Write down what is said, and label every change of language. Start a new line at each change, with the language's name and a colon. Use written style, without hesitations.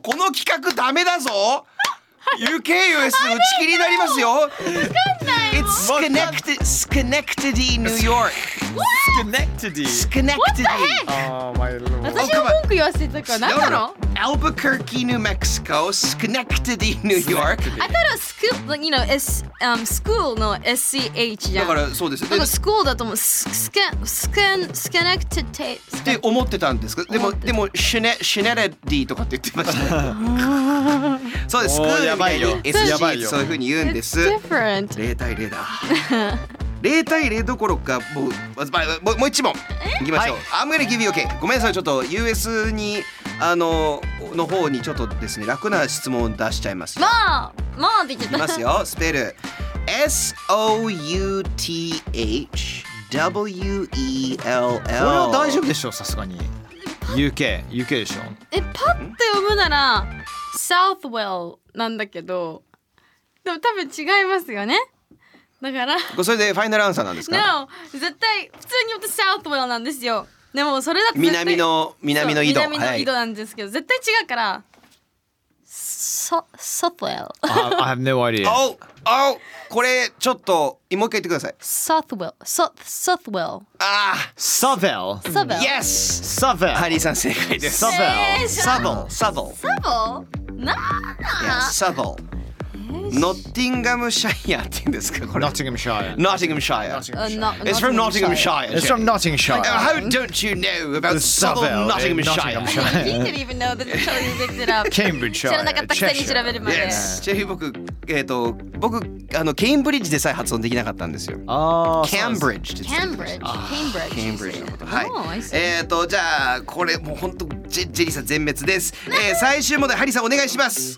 Japanese: この企画ダメだぞ。UK US 打ち切りになりますよ。
English: It's Schenectady, New York. What? Schenectady? Schenectady. What the heck? Oh, my lord.
Japanese: 私が文句言わせてたから、何だろう？
English: Albuquerque, New Mexico. Schenectady, New York. I thought it was school, you know, school
Japanese: の SCH じゃん。だからそうですよ。なんか school だと思う。
English: Schenectady.
Japanese: って思ってたんですか？でも、Schenectady とかって言ってましたね。そうです。school やばいよ。やばいよ。そういうふうに言うんです。
English: It's different.
Japanese: 0対0。零対零どころか、もう一問いきましょう。
English: I'm gonna give you okay。
Japanese: ごめんなさい、ちょっと US にの方にちょっとですね楽な質問を出しちゃいます。もうって言っちゃった。いきますよ。スペル S O U T H W E L L。これは大丈夫でしょう、さすがに。 UK UK でしょ。え、パって読むなら Southwell なんだけど、でも多分違いますよね。だからそれでファイナルアンサーなんですか。 No、 絶対普通に言うと Southwell なんですよ。でもそれだと南の井戸、南の井戸なんですけど、はい、絶対違うからSouthwell.
English: I have no idea. Oh, oh!
Japanese: これちょっともう一回言ってください。
English: Southwell. Southwell. Ah! Southwell. Southwell. Yes! Southwell.
Japanese: ハリーさん正解です。
English: Southwell. Southwell. Southwell? なぁ Yes, Southwell.
Japanese: Nottinghamshire って言うんですかこれ。
English: Nottinghamshire. Nottinghamshire. It's from Nottinghamshire. It's from Nottinghamshire. How don't you know about Southwell Nottinghamshire? He didn't even know that until you picked it up. Cambridgeshire.
Japanese: 知らなかったくせに調べるまで。
English: Yes.
Japanese: ちなみに僕、僕、ケインブリッジでさえ発音できなかったんですよ。ああ。
English: Cambridge
Japanese: って言ってました。Cambridge。 Cambridge のこと。はい。
English: Oh, I see.
Japanese: じゃあ、これもう本当、ジェリーさん全滅です。最終問題、ハリーさんお願いします。